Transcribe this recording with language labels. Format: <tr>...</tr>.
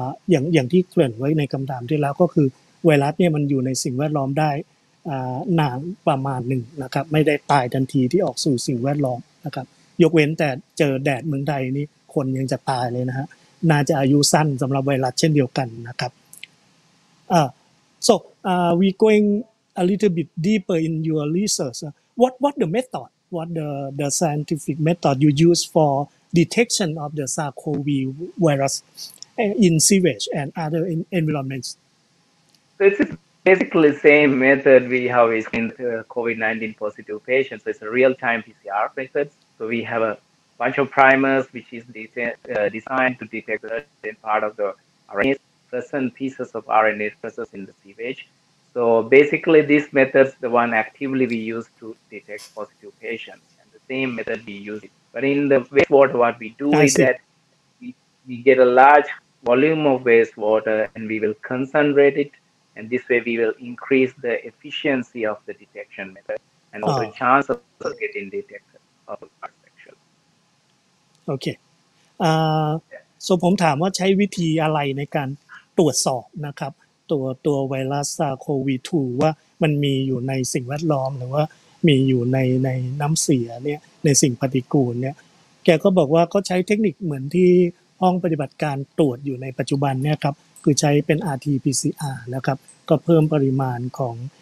<th>อย่างที่เกริ่นไว้ในคำถามที่แล้วก็คือไวรัสเนี่ยมันอยู่ในสิ่งแวดล้อมได้นานประมาณหนึ่งนะครับไม่ได้ตายทันทีที่ออกสู่สิ่งแวดล้อมนะครับยกเว้นแต่เจอแดดเมืองใดนี่คนยังจะตายเลยนะฮะน่าจะอายุสั้นสำหรับไวรัสเช่นเดียวกันนะครับ</th> <en>So we going a little bit deeper in your research. What the method? What the scientific method you use for detection of the SARS-CoV virus in sewage and other environments? This is basically the same method we have in COVID-19 positive patients. So it's a real-time PCR method. So we have a bunch of primers which is designed to detect certain part of the RNA. Certain pieces of RNA present in the sewage. So basically, this method is the one actively we use to detect positive patients. And the same method we use. But in the wastewater, what we do is that we get a large volume of wastewater and we will concentrate it. And this way, we will increase the efficiency of the detection method and also chance of getting detected of the virus actually. Okay.</en> <th>So ผมถามว่าใช้วิธีอะไรในการตรวจสอบนะครับตัวไวรัสซาร์โควี2ว่ามันมีอยู่ในสิ่งแวดล้อมหรือว่ามีอยู่ในน้ำเสียเนี่ยในสิ่งปฏิกูลเนี่ยแกก็บอกว่าก็ใช้เทคนิคเหมือนที่ห้องปฏิบัติการตรวจอยู่ในปัจจุบันเนี่ยครับคือใช้เป็น RT-PCR นะครับก็เพิ่มปริมาณของ</th>